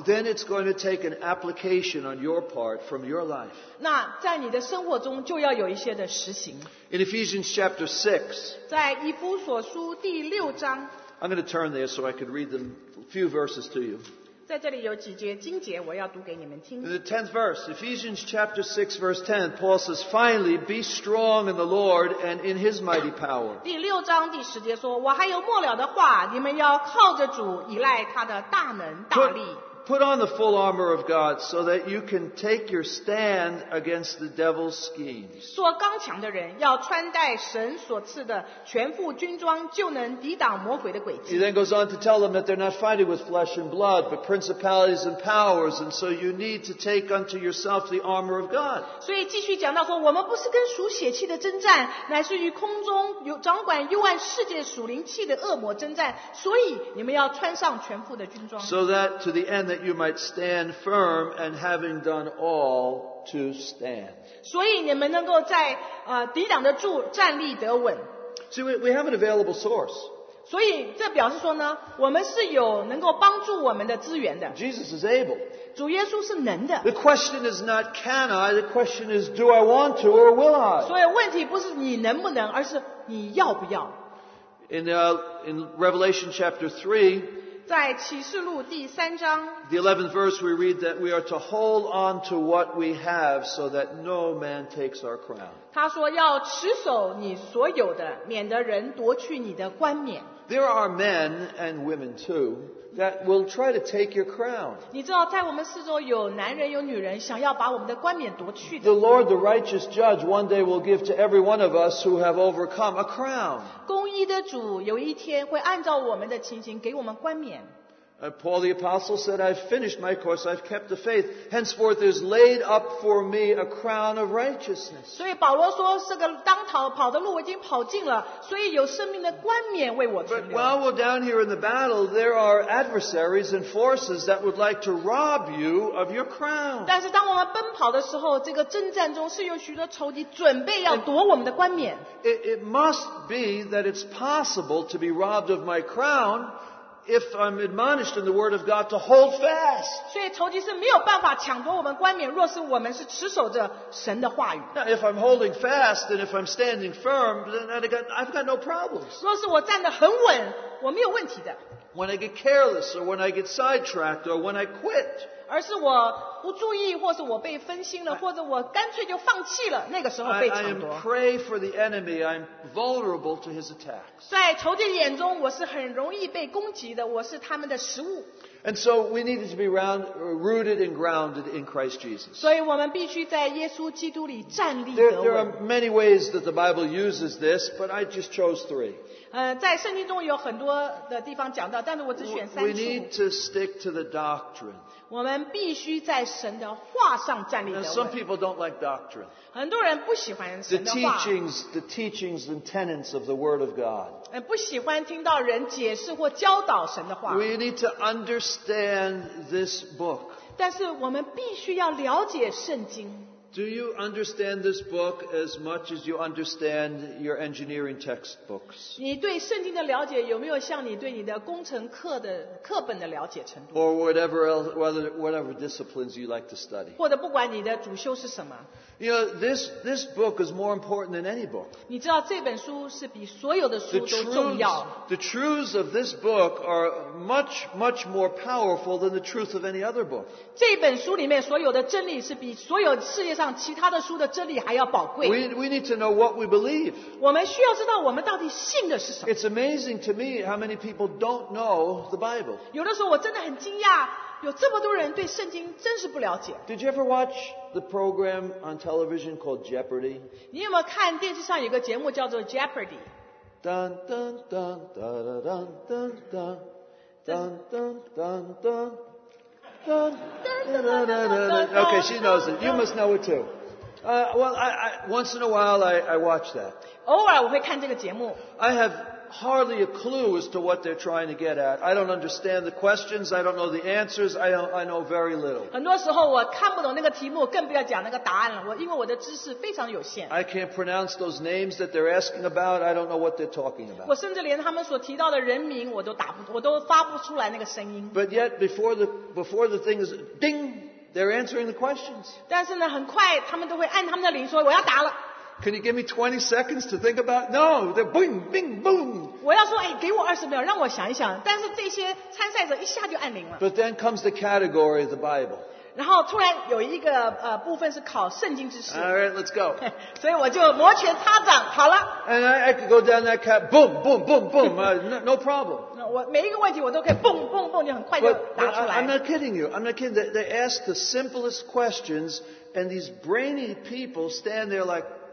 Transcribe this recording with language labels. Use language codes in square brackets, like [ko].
[en] Then it's going to take an application on your part from your life. [zh] 那在你的生活中就要有一些的实行。 [en] In Ephesians chapter 6, [zh] 在以弗所书第六章。 [en] I'm going to turn there so I could read them a few verses to you. [zh] 在这里有几节经节我要读给你们听。 [en] In the 10th verse, Ephesians chapter 6 verse 10, Paul says, Finally, be strong in the Lord and in his mighty power. [zh] 第六章第十节说，我还有末了的话，你们要靠着主依赖他的大能大力。 [en] Put on the full armor of God so that you can take your stand against the devil's schemes. [zh] 做刚强的人要穿戴神所赐的全副军装就能抵挡魔鬼的诡计。 [en] He then goes on to tell them that they're not fighting with flesh and blood, but principalities and powers, and so you need to take unto yourself the armor of God. [zh] 所以继续讲到说，我们不是跟属血气的征战，乃是与空中有掌管幽暗世界属灵气的恶魔征战，所以你们要穿上全副的军装。 [en] So that to the end that you might stand firm and having done all to stand. [zh] 所以你们能够在抵挡得住站立得稳。 [en] So we have an available source. [zh] 所以这表示说呢，我们是有能够帮助我们的资源的。 [en] Jesus is able. [zh] 主耶稣是能的。 [en] The question is not can I, the question is do I want to or will I? [zh] 所以问题不是你能不能，而是你要不要。 [en] In Revelation chapter 3, [zh] 在启示录第三章 [en] The 11th verse we read that we are to hold on to what we have so that no man takes our crown. [zh] 他说要持守你所有的，免得人夺去你的冠冕。 [en] There are men and women too that will try to take your crown. [zh] 你知道在我们四周有男人有女人想要把我们的冠冕夺去的。 [en] The Lord, the righteous judge, one day will give to every one of us who have overcome a crown. [zh] 公义的主有一天会按照我们的情形给我们冠冕。 [en] Paul the Apostle said, I've finished my course, I've kept the faith. Henceforth is laid up for me a crown of righteousness. [zh] 所以保罗说这个当逃跑的路我已经跑尽了，所以有生命的冠冕为我存留。 [en] But while we're down here in the battle, there are adversaries and forces that would like to rob you of your crown. [zh] 但是当我们奔跑的时候，这个征战中是有许多仇敌准备要夺我们的冠冕。 [en] It must be that it's possible to be robbed of my crown if I'm admonished in the word of God to hold fast. [zh] 所以仇敌是没有办法抢夺我们冠冕，若是我们是持守着神的话语。 [en] Now, if I'm holding fast and if I'm standing firm, then I've got no problems. [zh] 若是我站得很稳，我没有问题的。 [en] When I get careless or when I get sidetracked or when I quit. [zh] 而是我不注意，或是我被分心了，或者我干脆就放弃了，那个时候被抢夺。 [en] I am prey for the enemy. I'm vulnerable to his attacks. [zh] 在仇敌眼中，我是很容易被攻击的，我是他们的食物。 [en] And so we need to be rooted and grounded in Christ Jesus. [zh] 所以我们必须在耶稣基督里站立得稳。 [en] There are many ways that the Bible uses this, but I just chose three. [zh] 在圣经中有很多的地方讲到，但是我只选三处。 [en] We need to stick to the doctrine. [zh] 我们必须在神的话上站立得稳。 [en] Now, some people don't like doctrine. [zh] 很多人不喜欢神的话。 [en] The teachings and tenets of the Word of God. [zh] 不喜欢听到人解释或教导神的话。 [en] We need to understand this book. [zh] 但是我们必须要了解圣经。 [en] Do you understand this book as much as you understand your engineering textbooks? [zh] 你对圣经的了解有没有像你对你的工程课的课本的了解程度？ [en] Or whatever disciplines you like to study. [zh] 或者不管你的主修是什么。 [en] You know, this book is more important than any book. [zh] 你知道这本书是比所有的书都重要。 [en] The truths of this book are much, much more powerful than the truth of any other book. [zh] 这本书里面所有的真理是比所有世界上其他的书的真理还要宝贵。 [en] We need to know what we believe. [zh] 我们需要知道我们到底信的是什么。 [en] It's amazing to me how many people don't know the Bible. [zh] 有的时候我真的很惊讶，有这么多人对圣经真是不了解。 [en] Did you ever watch the program on television called Jeopardy? [zh] 你有没有看电视上有个节目叫做 Jeopardy? Dun dun dun dun dun dun dun dun dun dun dun [en] Okay, she knows it. You must know it too. Well, I once in a while I watch that. [zh] 偶尔我会看这个节目。 [en] I have hardly a clue as to what they're trying to get at. I don't understand the questions. I don't know the answers. I know very little. [zh] 很多时候我看不懂那个题目，更不要讲那个答案了。因为我的知识非常有限。 [en] I can't pronounce those names that they're asking about. I don't know what they're talking about. [zh] 我甚至连他们所提到的人名我都打不，我都发不出来那个声音。 [en] But yet, before the thing is ding, they're answering the questions. [zh] 但是呢，很快他们都会按他们的铃说我要答了。 [en] Can you give me 20 seconds to think about? No, they're bing, bing, boom. [zh] 我要说，哎，给我二十秒，让我想一想。但是这些参赛者一下就按铃了。 [en] But then comes the category of the Bible. [zh] 然后突然有一个部分是考圣经知识。 [en] All right, let's go. [zh] 所以我就摩拳擦掌，好了。 [en] And I could go down that cat, boom, boom, boom, boom, no problem. [zh] 我每一个问题我都可以 boom, boom, boom, 就很快就答出来。 [en] I'm not kidding you. I'm not kidding. They ask the simplest questions, and these brainy people stand there like.